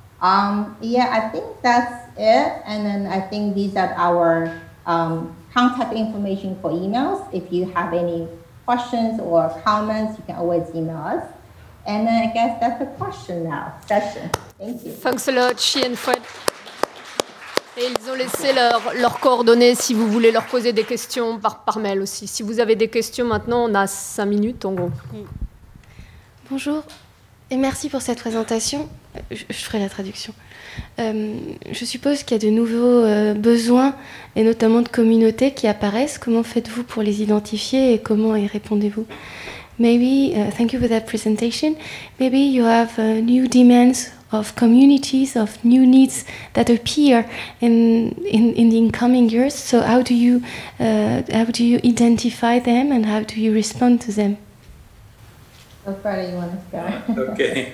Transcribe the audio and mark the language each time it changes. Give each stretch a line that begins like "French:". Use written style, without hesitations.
English: I think that's it. And then I think these are our contact information for emails. If you have any questions or comments, you can always email us. And then I guess that's the question now, session. Thank you. Thanks a lot, Chi and Fred.
French: Et ils ont laissé leurs coordonnées si vous voulez leur poser des questions par mail aussi. Si vous avez des questions maintenant, on a 5 minutes en gros. Bonjour et merci pour cette présentation. Je ferai la traduction. Je suppose qu'il y a de nouveaux besoins et notamment de communautés qui apparaissent. Comment faites-vous pour les identifier et comment y répondez-vous?
English: Maybe thank you for that presentation. Maybe you have new demands of communities, of new needs that appear in the incoming years. So how do you identify them and how do you respond to them? Okay,